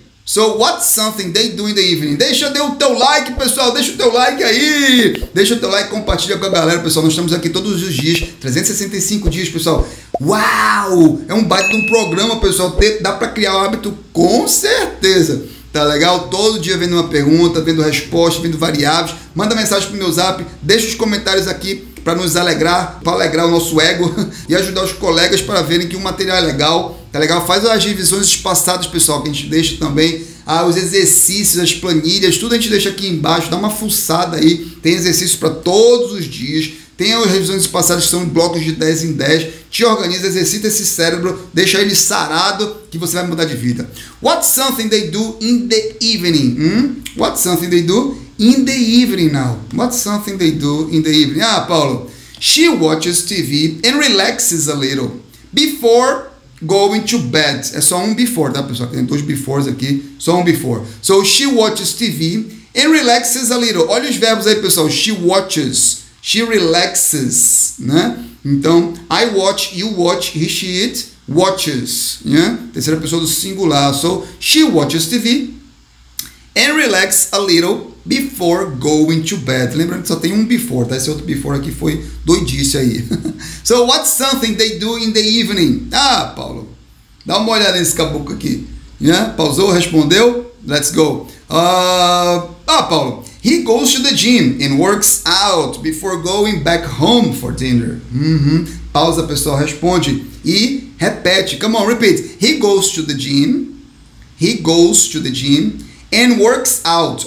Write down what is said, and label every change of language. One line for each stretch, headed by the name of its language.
English: So, what's something they do in the evening?
Portuguese: Deixa o teu like, pessoal, deixa o teu like aí. Deixa o teu like, compartilha com a galera, pessoal. Nós estamos aqui todos os dias, 365 dias, pessoal. Uau! É um baita de um programa, pessoal. Dá pra criar o hábito? Com certeza. Tá legal? Todo dia vendo uma pergunta, vendo resposta, vendo variáveis. Manda mensagem pro meu zap, deixa os comentários aqui para nos alegrar, para alegrar o nosso ego e ajudar os colegas para verem que o material é legal. Tá legal? Faz as revisões espaçadas, pessoal, que a gente deixa também. Ah, os exercícios, as planilhas, tudo a gente deixa aqui embaixo. Dá uma fuçada aí. Tem exercícios para todos os dias. Tem as revisões espaçadas que são blocos de 10 em 10. Te organiza, exercita esse cérebro, deixa ele sarado, que você vai mudar de vida.
English: What's something they do in the evening? What's something they do in the evening now? What's something they do in the evening? Ah, Paulo. She watches TV and relaxes a little before going to bed.
Portuguese: É só um before, tá, pessoal? Tem dois befores aqui. Só um before.
English: So, she watches TV and relaxes a little.
Portuguese: Olha os verbos aí, pessoal.
English: She watches. She relaxes,
Portuguese: né?
English: Então, I watch, you watch, he, she, it watches, né?
Portuguese: Terceira pessoa do singular.
English: So, she watches TV and relax a little before going to bed.
Portuguese: Lembrando que só tem um before, tá? Esse outro before aqui foi doidice aí.
English: So, what's something they do in the evening?
Portuguese: Ah, Paulo, dá uma olhada nesse caboclo aqui, né? Pausou, respondeu?
English: Let's go.
Portuguese: Paulo.
English: He goes to the gym and works out before going back home for dinner.
Portuguese: Uhum. Pausa, pessoal. Responde. E repete.
English: Come on, repeat. He goes to the gym. He goes to the gym and works out.